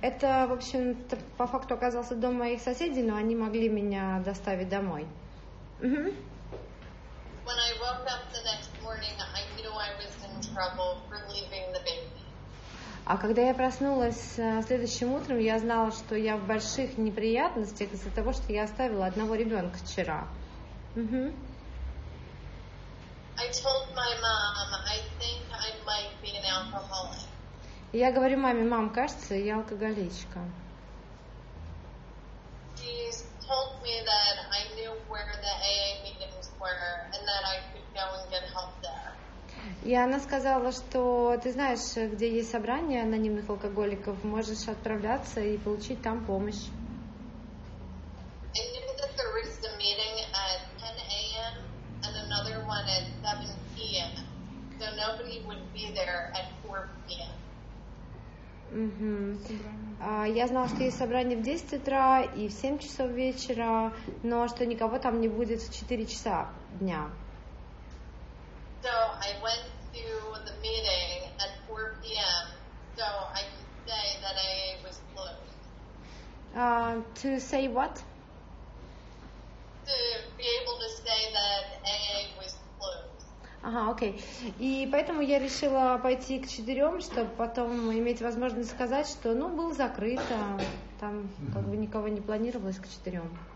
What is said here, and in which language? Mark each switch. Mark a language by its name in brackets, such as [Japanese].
[Russian] Это, в общем-то, по факту оказался дом моих соседей, но они могли меня доставить домой. [English] When I woke up the next morning, I knew I was in trouble for leaving the baby. [Russian] А когда я проснулась следующим утром, я знала, что я в больших неприятностях из-за того, что я оставила одного ребенка вчера. [English] I told my mom, I think I might be an alcoholic. [Russian] Я говорю маме, мам, кажется, я алкоголичка. [English] She told me that I knew where the AA meetings were and that I could go and get help there. [Russian] И она сказала, что ты знаешь, где есть собрание анонимных алкоголиков, можешь отправляться и получить там помощь. [English] I knew that there was a meeting at 10 a.m. and another one at 7 p.m. So nobody would be there at 4 p.m. [Russian] Я знала, что есть собрание в 10 утра и в 7 часов вечера, но что никого там не будет в 4 часа дня. [English] So I went to the meeting at 4 p.m. So I could say that AA was closed. To say what? To be able to say that AA was closed. [Russian] Ага, окей. И поэтому я решила пойти к четырем, чтобы потом иметь возможность сказать, что, ну, было закрыто, там как бы никого не планировалось к четырем.